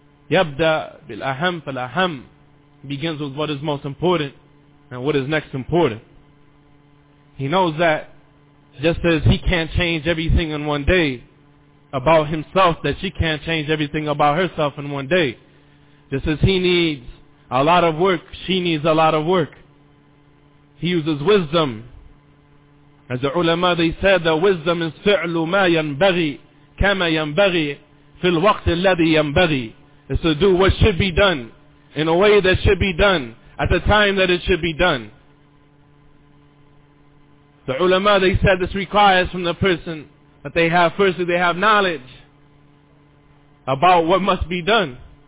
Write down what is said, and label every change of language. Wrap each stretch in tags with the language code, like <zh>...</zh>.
<ar>Yabda bil aham fal aham,</ar> <en>begins with what is most important and what is next important. He knows that just as he can't change everything in one day about himself, that she can't change everything about herself in one day. Just as he needs a lot of work, she needs a lot of work. He uses wisdom. As the ulama, they said, the wisdom is</en> <ar>فِعْلُ مَا يَنْبَغِي كَمَا يَنْبَغِي فِي الْوَقْتِ الَّذِي يَنْبَغِي.</ar> <en>It's to do what should be done in a way that should be done at the time that it should be done. The ulama, they said, this requires from the person that they have, firstly, they have knowledge about what must be done.</en>